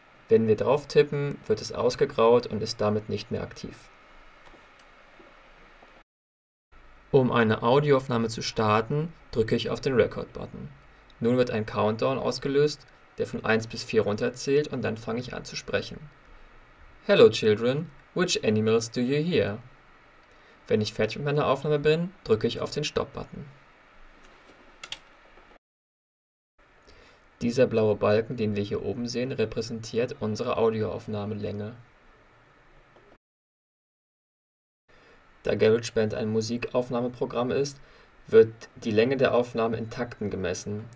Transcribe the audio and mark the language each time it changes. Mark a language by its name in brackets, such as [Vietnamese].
[German] Wenn wir drauf tippen, wird es ausgegraut und ist damit nicht mehr aktiv. Um eine Audioaufnahme zu starten, drücke ich auf den Record-Button. Nun wird ein Countdown ausgelöst, der von 1 bis 4 runterzählt und dann fange ich an zu sprechen. [English] Hello children, which animals do you hear? [German] Wenn ich fertig mit meiner Aufnahme bin, drücke ich auf den Stop-Button. Dieser blaue Balken, den wir hier oben sehen, repräsentiert unsere Audioaufnahmelänge. Da GarageBand ein Musikaufnahmeprogramm ist, wird die Länge der Aufnahme in Takten gemessen.